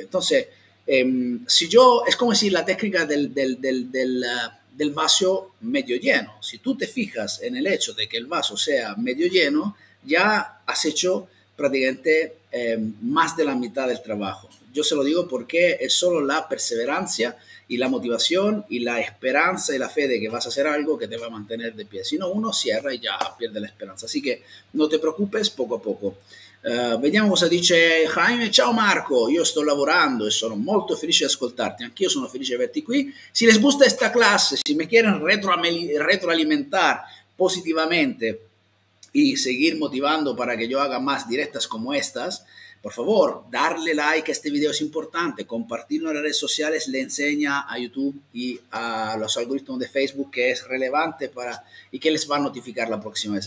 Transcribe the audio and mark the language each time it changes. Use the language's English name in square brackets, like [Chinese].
[Spanish] Entonces, si yo, es como si la técnica del vaso medio lleno, si tú te fijas en el hecho de que el vaso sea medio lleno, ya has hecho prácticamente más de la mitad del trabajo. Yo se lo digo porque es solo la perseverancia y la motivación y la esperanza y la fe de que vas a hacer algo que te va a mantener de pie. Si no, uno cierra y ya pierde la esperanza. Así que no te preocupes, poco a poco. [Italian] Vediamo cosa dice Jaime. Ciao Marco, io sto lavorando e sono molto felice di ascoltarti. Anch'io sono felice di averti qui. [Spanish] Si les gusta esta clase, si me quieren retroalimentar positivamente, y seguir motivando para que yo haga más directas como estas, por favor, darle like a este video, es importante, compartirlo en las redes sociales, le enseña a YouTube y a los algoritmos de Facebook que es relevante para y que les va a notificar la próxima vez.